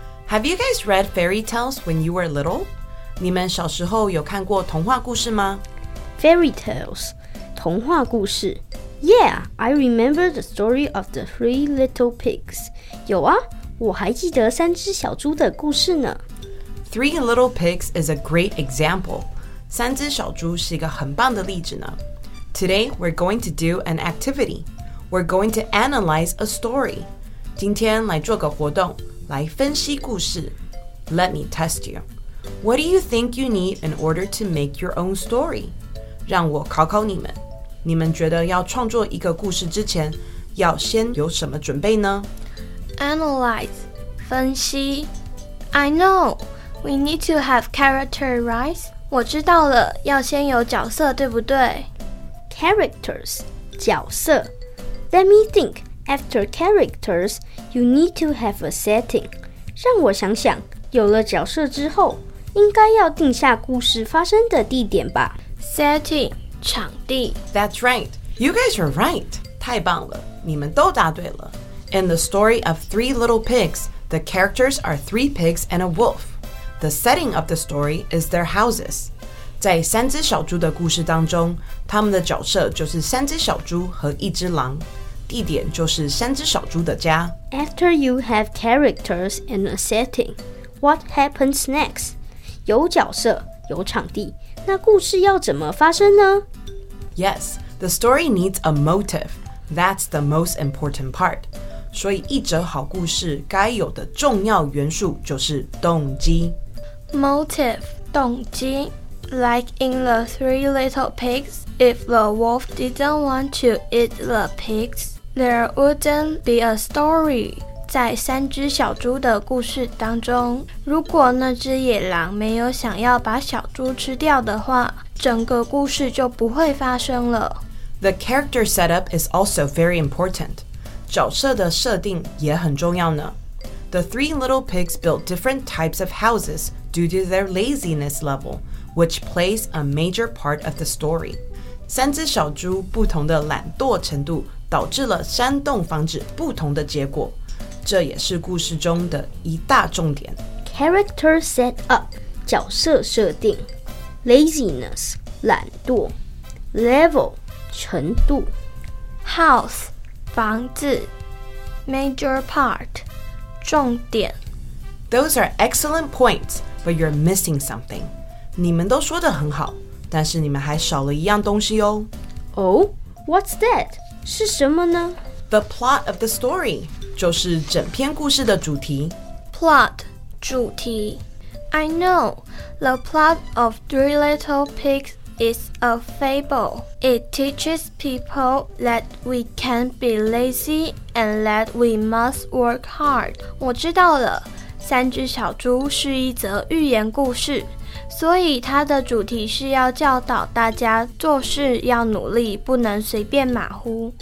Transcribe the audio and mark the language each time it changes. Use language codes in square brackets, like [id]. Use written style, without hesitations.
[en] Have you guys read fairy tales when you were little? [zh] 你们小时候有看过童话故事吗？ [en] Fairy tales [zh] 童话故事。 [en] Yeah, I remember the story of the three little pigs. [zh] 有啊，我还记得三只小猪的故事呢。 [en] Three little pigs is a great example. [zh] 三只小猪是一个很棒的例子呢。 [en] Today, we're going to do an activity. We're going to analyze a story. [zh] 今天来做个活动，来分析故事。 [en] Let me test you. What do you think you need in order to make your own story? [zh] 让我考考你们。你们觉得要创作一个故事之前，要先有什么准备呢？ [en] Analyze, [zh] 分析。 [en] I know, we need to have character, right? [zh] 我知道了，要先有角色，对不对？ [en] Characters, [zh] 角色。 [en] Let me think, after characters, you need to have a setting. [zh] 让我想想，有了角色之后，应该要定下故事发生的地点吧。 [en] Setting, [zh] 场地。 [en] That's right, you guys are right. [zh] 太棒了，你们都答对了。 [en] In the story of three little pigs, the characters are three pigs and a wolf. The setting of the story is their houses. [zh] 在三只小猪的故事当中，他们的角色就是三只小猪和一只狼，地点就是三只小猪的家。 [en] After you have characters and a setting, what happens next? [zh] 有角色，有场地，那故事要怎么发生呢？ [en] Yes, the story needs a motive. That's the most important part. [zh] 所以一则好故事该有的重要元素就是动机。 [en] Motive, [zh] 动机。 [en] Like in the three little pigs, if the wolf didn't want to eat the pigs, there wouldn't be a story. [zh] 在三只小猪的故事当中，如果那只野狼没有想要把小猪吃掉的话，整个故事就不会发生了。 [en] The character setup is also very important. [zh] 角色的设定也很重要呢。 [en] The three little pigs built different types of houses due to their laziness level, which plays a major part of the story. [zh] 三只小猪不同的懒惰程度导致了三栋房子不同的结果，这也是故事中的一大重点。 [en] Character set up, [zh] 角色设定。 [en] Laziness, [zh] 懒惰。 [en] Level, [zh] 程度。 [en] House, [zh] 房子 [en] Major part [zh] 重点 [en] Those are excellent points, but you're missing something. [zh] 你们都说得很好，但是你们还少了一样东西哦。 [en] Oh? What's that? [zh] 是什么呢？ [en] The plot of the story [zh] 就是整篇故事的主题。 [en] Plot [zh] 主题 [en] I know, the plot of Three Little Pigs is a fable. It teaches people that we can't be lazy and that we must work hard. [zh] 我知道了，三只小猪是一则寓言故事，所以它的主题是要教导大家做事要努力，不能随便马虎。